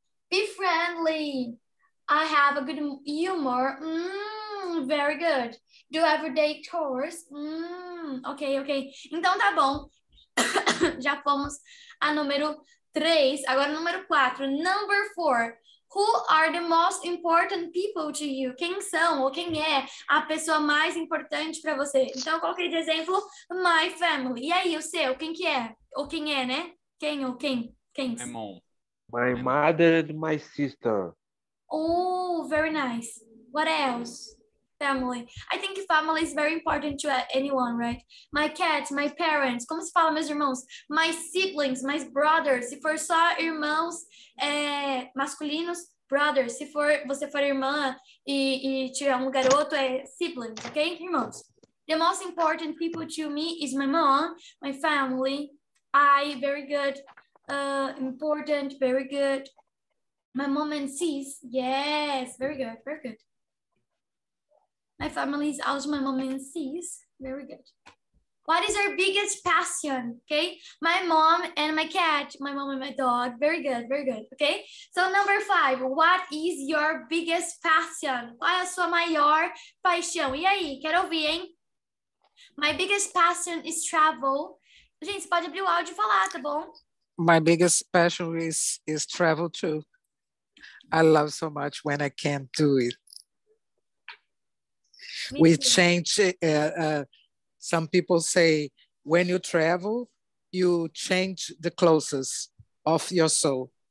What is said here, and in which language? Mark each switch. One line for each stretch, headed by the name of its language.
English: Be friendly. I have a good humor. Very good. Do everyday chores. Ok.
Portuguese: Então tá bom. Já fomos a número 3. Agora número 4.
English: Number 4. Who are the most important people to you?
Portuguese: Quem são ou quem é a pessoa mais importante para você? Então, coloquei de exemplo,
English: my family.
Portuguese: E aí, o seu, quem que é? Ou quem é, né? Quem ou quem? Quem?
English: My mom. My mother and my sister. Oh, very nice. What else? Family. I think family is very important to anyone, right? My cat, my parents.
Portuguese: Como se fala meus irmãos?
English: My siblings, my brothers.
Portuguese: Se for só irmãos masculinos,
English: brothers.
Portuguese: Se for você for irmã e tiver garoto,
English: siblings, okay?
Portuguese: Irmãos.
English: The most important people to me is my mom, my family. Very good. Important, very good. My mom and sis, yes, very good, very good. My family is also my mom and sis, very good. What is our biggest passion, okay? My mom and my cat, my mom and my dog, very good, okay? So number 5, what is your biggest passion?
Portuguese: Qual é a sua maior paixão? E aí, quero ouvir, hein?
English: My biggest passion is travel.
Portuguese: Gente, você pode abrir o áudio e falar, tá bom?
English: My biggest passion is travel too. I love so much when I can't do it. Me we too. Change, some people say, when you travel, you change the clothes of your soul.